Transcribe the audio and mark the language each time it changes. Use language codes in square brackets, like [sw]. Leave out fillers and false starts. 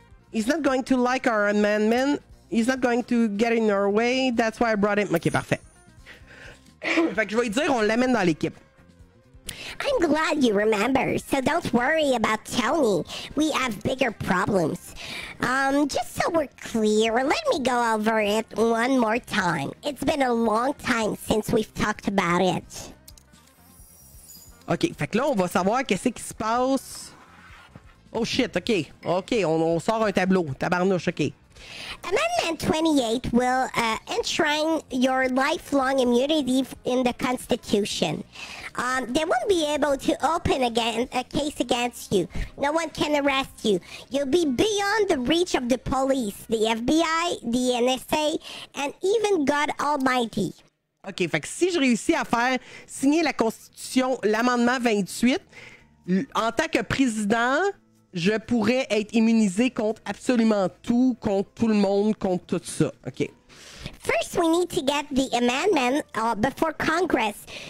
[en] He's not going to like our amendment. He's not going to get in our way. That's why I brought him. Okay, parfait. [fr] Fait que je vais dire, on l'amène dans l'équipe. [en] I'm glad you remember, so don't worry about Tony. We have bigger problems. Just so we're clear, let me go over it one more time. It's been a long time since we've talked about it. [fr] Okay, fait que là, on va savoir qu'est-ce qui se passe. Oh shit, okay. Okay, on sort un tableau. Tabarnouche, okay. [en] Amendment 28 will enshrine your lifelong immunity in the Constitution. They won't be able to open a case against you. No one can arrest you. You'll be beyond the reach of the police, the FBI, the NSA, and even God Almighty. [fr] OK, fait que si je réussis à faire signer la Constitution, l'amendement 28, en tant que président, je pourrais être immunisé contre absolument tout, contre tout le monde, contre tout ça. OK. [en] First, we need to get the amendment before Congress.